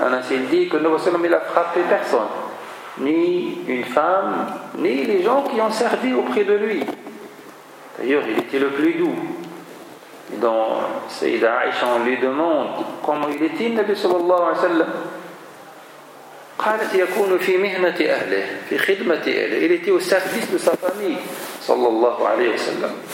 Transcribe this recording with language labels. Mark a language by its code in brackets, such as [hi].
[fr] Anas il dit que le nabi sallam il a frappé personne, ni une femme, ni les gens qui ont servi auprès de lui. D'ailleurs, il était le plus doux. Et dans Sayyida Aisha, on lui demande comment il était, le Nabi sallallahu alayhi wa sallam. [ar] قالت يكون في مهنة أهله في خدمة أهله. [fr] Il était au service de sa famille, sallallahu alayhi wa sallam.